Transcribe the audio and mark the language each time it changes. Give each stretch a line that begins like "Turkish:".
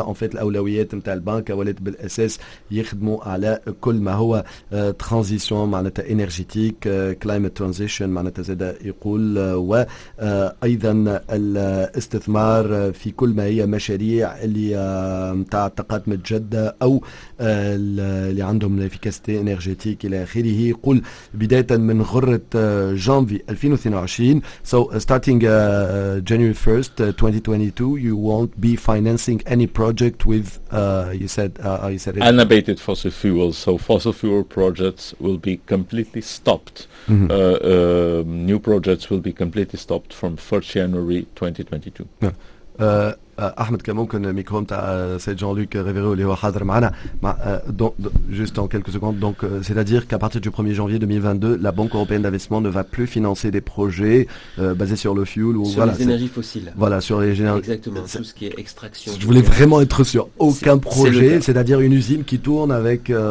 Arabic: اون فيت الاولويات نتاع البنك بالأساس يخدموا على كل ما هو ترانزيشن معناتها انرجيتيك, كلايمت ترانزيشن معناتها زادا يقول, وأيضا الاستثمار في كل ما هي مشاريع اللي متاع الطاقات متجددة أو اللي عندهم الافيكاسيتي انرجيتيك إلى آخره. يقول بداية من غرة جانفي 2022,
English: so starting January 1st 2022 you won't be financing any project with you said unabated fossil fuels. So fossil fuel projects will be completely stopped. Mm-hmm. New projects will be completely stopped from 1st January 2022. Ahmed, can you please mic home to Saint Jean-Luc Rivero, who is here with us? Just in a few seconds.
French: So, c'est à dire qu'à partir du 1er janvier 2022, la Banque européenne d'investissement ne va plus financer des projets basés sur le fuel ou sur voilà, les énergies fossiles. Voilà, sur les énergies. Exactement. C'est, tout ce qui est extraction. Je voulais vraiment être sûr. Aucun projet, c'est-à-dire une usine qui tourne avec.